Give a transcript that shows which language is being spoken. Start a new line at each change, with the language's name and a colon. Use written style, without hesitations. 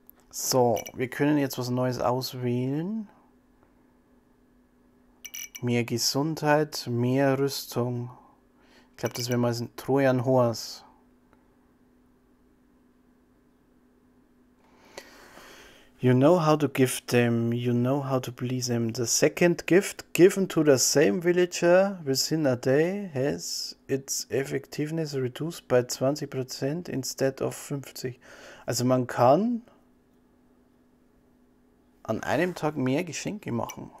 German: So, wir können jetzt was Neues auswählen. Mehr Gesundheit, mehr Rüstung. Ich glaube, das wäre mal ein Trojan Horse.
English: You know how to give them, you know how to please them. The second gift given to the same villager within a day has its effectiveness reduced by 20% instead of 50%.
German: Also man kann an einem Tag mehr Geschenke machen.